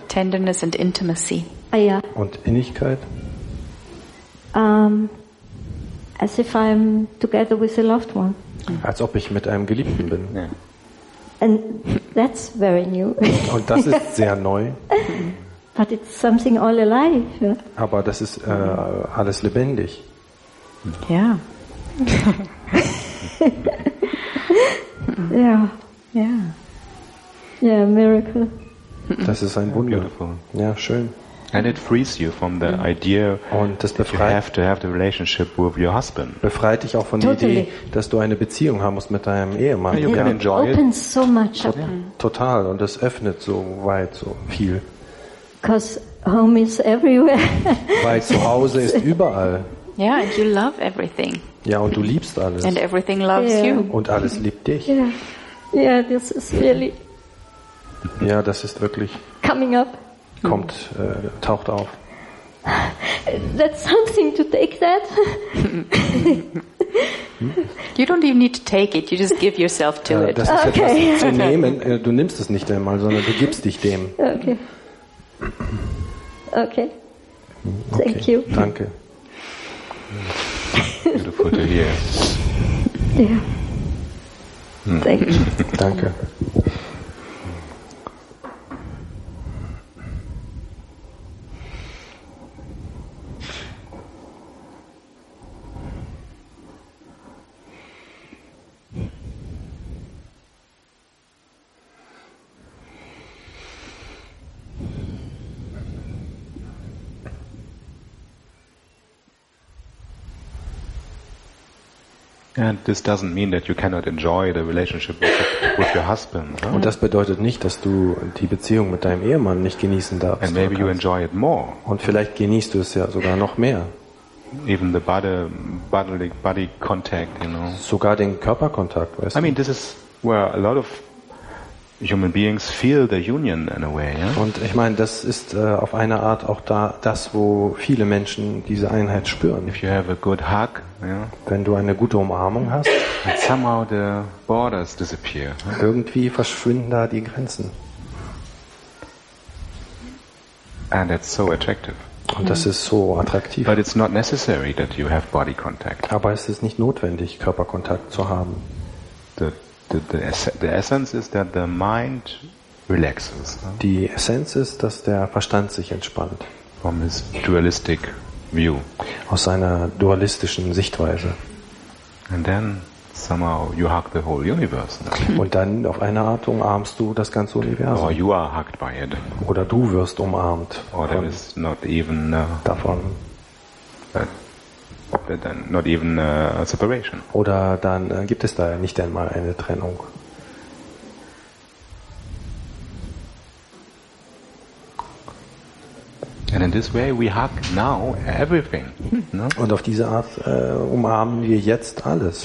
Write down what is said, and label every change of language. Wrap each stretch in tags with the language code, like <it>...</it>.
<en>Tenderness and intimacy.</en> <de>Ja. Und Innigkeit.</de> <en>As if I'm together with a loved one.</en> <de>Als ob ich mit einem Geliebten bin.</de> <en>Yeah. And that's very new.</en> <de>Und das ist sehr neu.</de> <en>But it's something all alive.</en> <de>Aber das ist alles lebendig. Ja.</de> <en>Yeah. Yeah. Yeah. Yeah, miracle.</en> <de>Das ist ein Wunder.</de> <en>Beautiful.</en> <de>Ja, schön.</de> <en>And it frees you from the idea</en> <de>und das befreit,</de> <en>you have to have the relationship with your husband.</en> <de>Befreit dich auch von der Idee, dass du eine Beziehung haben musst mit deinem Ehemann.</de> <en>You can enjoy it. Opens so much up.</en> <de>Total, und das öffnet so weit, so viel.</de> <en>Because home is everywhere.</en> <de>Weil zu Hause ist überall.</de> <en>Yeah, and you love everything.</en> <de>Ja, und du liebst alles.</de> <en>And everything loves you.</en> <de>Und alles liebt dich.</de> <en>Yeah, yeah, this is really.</en> <de>Ja, das ist wirklich.</de> <en>Coming up.</en> <de>Kommt, taucht auf.</de> <en>That's something to take that. You don't even need to take it. You just give yourself to it.</en> <de>Das ist okay. Etwas zu nehmen. Du nimmst es nicht einmal, sondern du gibst dich dem.</de> <en>Okay. Okay. Thank okay. you.</en> <de>Danke.</de> <en>Beautiful to hear. Yeah. Thank you.</en> <de>Danke.</de> <en>And this doesn't mean that you cannot enjoy the relationship with your husband. Huh?</en> <de>Und das bedeutet nicht, dass du die Beziehung mit deinem Ehemann nicht genießen darfst.</de> <en>And maybe you enjoy it more.</en> <de>Und vielleicht genießt du es ja sogar noch mehr.</de> <en>Even the body contact, you know.</en> <de>Sogar den Körperkontakt, weißt du.</de> <en>I mean, this is where a lot of human beings feel the union in a way, yeah?</en> <de>Und ich meine, das ist auf eine Art auch da, das, wo viele Menschen diese Einheit spüren.</de> <en>If you have a good hug,</en> <de>wenn du eine gute Umarmung hast,</de> <en>and somehow the borders disappear,</en> <de>irgendwie verschwinden da die Grenzen.</de> <en>And that's so attractive.</en> <de>Und das ist so attraktiv.</de> <en>But it's not necessary that you have body contact.</en> <de>Aber es ist nicht notwendig, Körperkontakt zu haben.</de> <en>The essence is that the mind relaxes.</en> <de>Die Essenz ist, dass der Verstand sich entspannt.</de> <en>From his dualistic view.</en> <de>Aus seiner dualistischen Sichtweise.</de> <en>And then somehow you hug the whole universe.</en> <de>Und dann auf eine Art umarmst du das ganze Universum.</de> <en>Or you are hugged by it.</en> <de>Oder du wirst umarmt.</de> <en>Or there is not even</en> <de>davon.</de> <en>Not even a separation.</en> <de>Oder dann gibt es da nicht einmal eine Trennung.</de> <en>And And in this way we hug now everything. No?</en> <de>Und auf diese Art umarmen wir jetzt alles.</de>